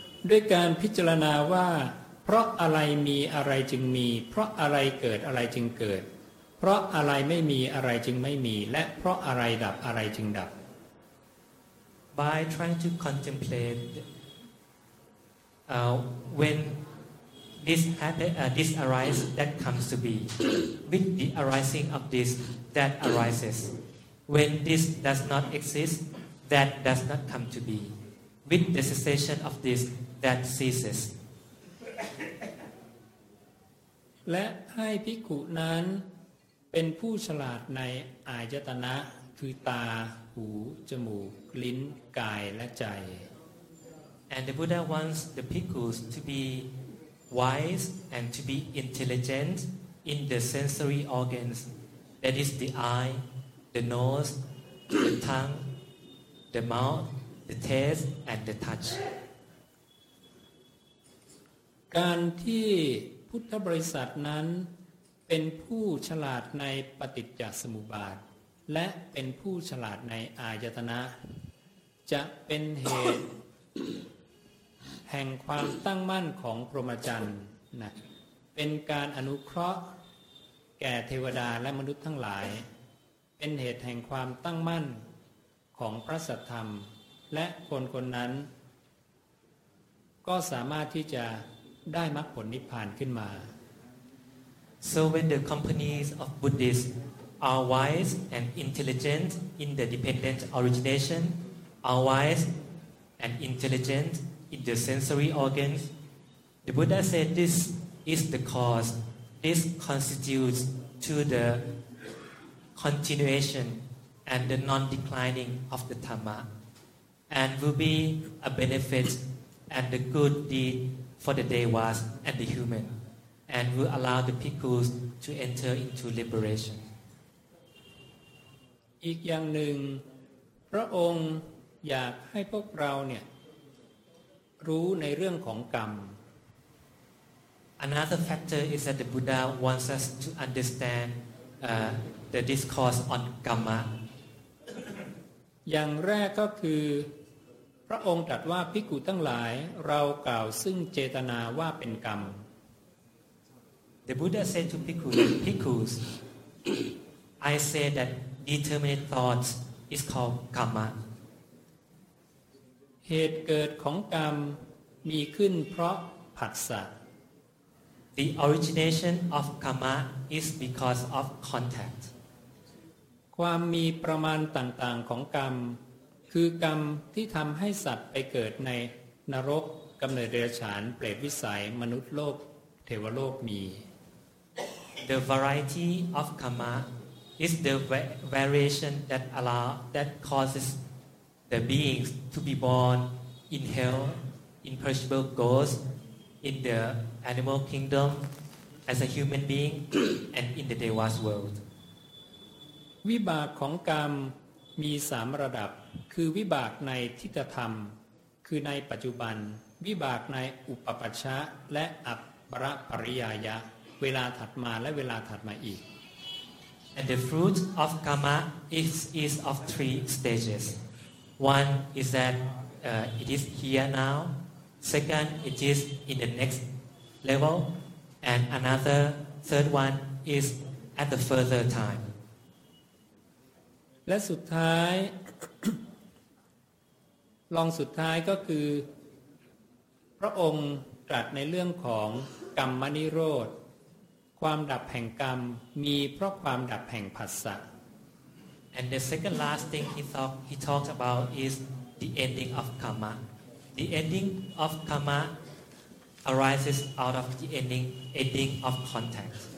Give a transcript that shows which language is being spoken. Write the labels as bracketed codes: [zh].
[th] ด้วยการพิจารณาว่าเพราะอะไรมีอะไรจึงมีเพราะอะไรเกิดอะไรจึงเกิดเพราะอะไรไม่มีอะไรจึงไม่มีและเพราะอะไรดับอะไรจึงดับ [en] By trying to contemplateWhen this this arises, that comes to be. With the arising of this, that arises. When this does not exist, that does not come to be. With the cessation of this, that ceases. [th] และให้ภิกขุนั้นเป็นผู้ฉลาดในอายตนะคือตาหูจมูกลิ้นกายและใจ [en] And the Buddha wants the bhikkhus to be wise and to be intelligent in the sensory organs, that is the eye, the nose, the tongue, the mouth, the taste, and the touch. [th] การที่พุทธบริษัทนั้นเป็นผู้ฉลาดในปฏิจจสมุปบาทและเป็นผู้ฉลาดในอายตนะจะเป็นเหตุ แห่งความตั้งมั่นของพรหมจรรย์นะเป็นการอนุเคราะห์แก่เทวดาและมนุษย์ทั้งหลายเป็นเหตุแห่งความตั้งมั่นของพระสัทธรรมและคนคนนั้นก็สามารถที่จะได้มรรคผลนิพพานขึ้นมา [en] So when the companies of Buddhists are wise and intelligent in the dependent origination are wise and intelligentIn the sensory organs, the Buddha said this is the cause. This constitutes to the continuation and the non-declining of the Dhamma, and will be a benefit and a good deed for the devas and the human, and will allow the bhikkhus to enter into liberation. [th] อีกอย่างหนึ่งพระองค์อยากให้พวกเราเนี่ยรู้ในเรื่องของกรรม [en] Another factor is that the Buddha wants us to understand the discourse on karma. [th] อย่างแรกก็คือพระองค์ตรัสว่าภิกขุทั้งหลายเรากล่าวซึ่งเจตนาว่าเป็นกรรม [en] The Buddha said to bhikkhus, bhikkhus, I say that determinate thoughts is called karma. [th] เหตุเกิดของกรรมมีขึ้นเพราะผัสสะ [en] The origination of karma is because of contact. [th] ความมีประมาณต่างๆของกรรมคือกรรมที่ทำให้สัตว์ไปเกิดในนรกกำเนิดเดรัจฉานเปรตวิสัยมนุษย์โลกเทวโลกมี [en] The variety of karma is the variation that allow that causesThe beings to be born in hell, in perishable ghosts, in the animal kingdom, as a human being, and in the devas world. [th] วิบากของกรรมมีสามระดับคือวิบากในทิฏฐธรรมคือในปัจจุบันวิบากในอุปปัชชะและอัปปรปริยายะ เวลาถัดมาและเวลาถัดมาอีก [en] And the fruit of karma is of three stages. One is that it is here now. Second, it is in the next level. And another, third one is at the further time. [th] และสุดท้าย ลองสุดท้ายก็คือพระองค์ตรัสในเรื่องของกรรมนิโรธความดับแห่งกรรมมีเพราะความดับแห่งผัสสะ [en] And the second last thing he talked about is the ending of karma. The ending of karma arises out of the ending of contact.